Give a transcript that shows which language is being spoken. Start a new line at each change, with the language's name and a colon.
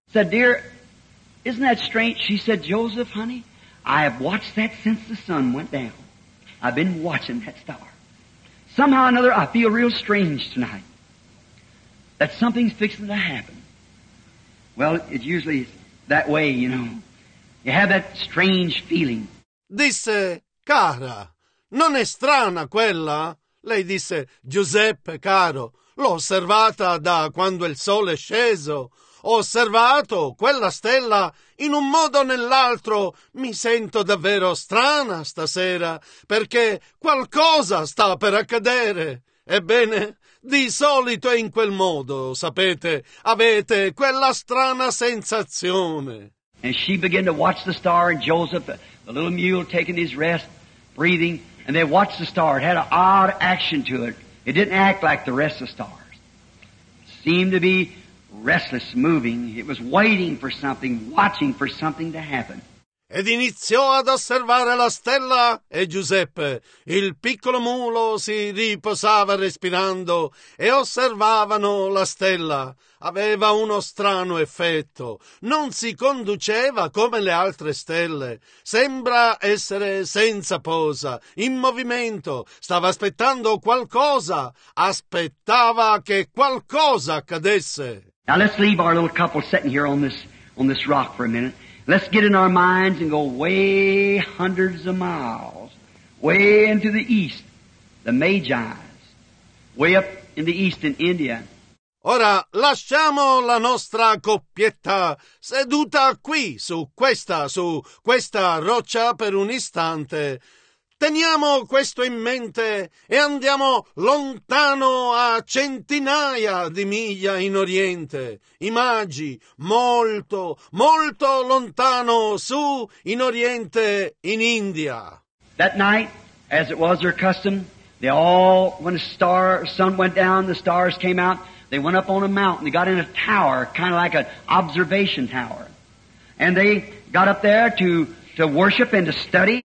English: Said, "Dear, isn't that strange?" She said, "Joseph, honey, I have watched that since the sun went down. I've been watching that star. Somehow or another, I feel real strange tonight that something's fixing to happen." Well, it's usually that way, you know. You have that strange feeling.
Italian: Disse, "Cara, non è strana quella?" Lei disse, "Giuseppe, caro, l'ho osservata da quando il sole è sceso. Ho osservato quella stella in un modo o nell'altro. Mi sento davvero strana stasera, perché qualcosa sta per accadere. Ebbene, di solito è in quel modo, sapete, avete quella strana sensazione."
English: And she began to watch the star, and Joseph, the little mule, taking his rest, breathing, and they watched the star. It had an odd action to it. It didn't act like the rest of stars. It seemed to be restless, moving, it was waiting for something, watching for something to happen.
Italian: Ed iniziò ad osservare la stella e Giuseppe, il piccolo mulo, si riposava respirando e osservavano la stella. Aveva uno strano effetto. Non si conduceva come le altre stelle. Sembra essere senza posa, in movimento. Stava aspettando qualcosa. Aspettava che qualcosa accadesse.
English: Now let's leave our little couple sitting here on this rock for a minute. Let's get in our minds and go way hundreds of miles, way into the east, the Magi's, way up in the east in India.
Italian: Ora lasciamo la nostra coppietta seduta qui su questa roccia per un istante. Teniamo questo in mente e andiamo lontano a centinaia di miglia in Oriente. I Magi, molto, molto lontano su in Oriente, in India.
English: That night, as it was their custom, They all, when the star, sun went down, the stars came out, they went up on a mountain. They got in a tower, kind of like an observation tower. And they got up there to worship and to study.